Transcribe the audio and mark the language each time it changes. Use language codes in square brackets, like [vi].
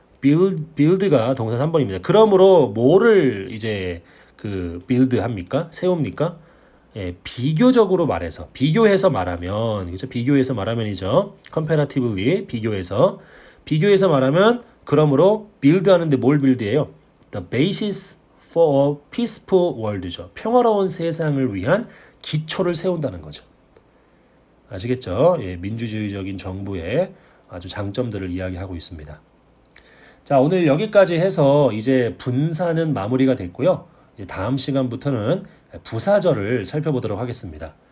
[ko] build가 동사 3번입니다. 그러므로 뭐를 이제 그 build 합니까? 세웁니까? 예, 비교적으로 말해서 비교해서 말하면 그렇죠? 비교해서 말하면이죠. comparatively 비교해서 말하면 그러므로 build 하는데 뭘 build해요? [en] The basis for a peaceful world죠. [ko] 평화로운 세상을 위한 기초를 세운다는 거죠. 아시겠죠? 예, 민주주의적인 정부의 아주 장점들을 이야기하고 있습니다. 자, 오늘 여기까지 해서 이제 분사는 마무리가 됐고요. 이제 다음 시간부터는 부사절을 살펴보도록 하겠습니다.